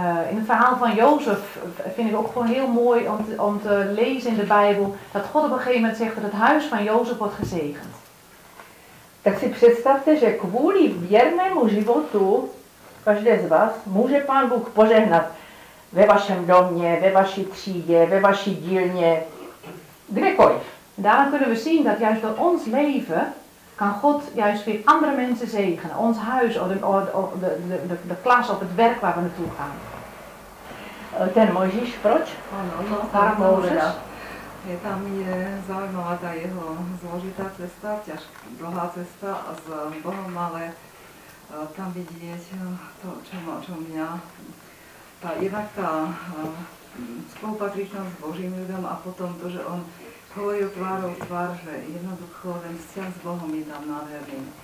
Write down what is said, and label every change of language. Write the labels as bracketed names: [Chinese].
[Dutch] In het verhaal van Jozef vind ik ook gewoon heel mooi om te lezen in de Bijbel, dat God op een gegeven moment zegt dat het huis van Jozef wordt gezegend. [Czech] Tak si představte, že kvůli věrnému životu každé z vás může Pán Bůh požehnat. Ve vašem domě, ve vaší třídě, ve vaší dílně, kdekoliv. [Dutch] Daarom kunnen we zien dat juist door ons leven kan God juist weer andere mensen zegenen. Ons huis, de klas op het werk waar we naartoe gaan. [Czech] Ten Mojžíš, proč? Ano, tam je tam zajímavá ta jeho zložitá cesta, dlouhá cesta s Bohem, ale tam vidět to, čo mě... [Slovak] Jednak tá spolupatričnosť s Božím ľudom a potom to, že on hovoril tvárou tvár, že jednoducho ten vzťah s Bohom je tam nádherný.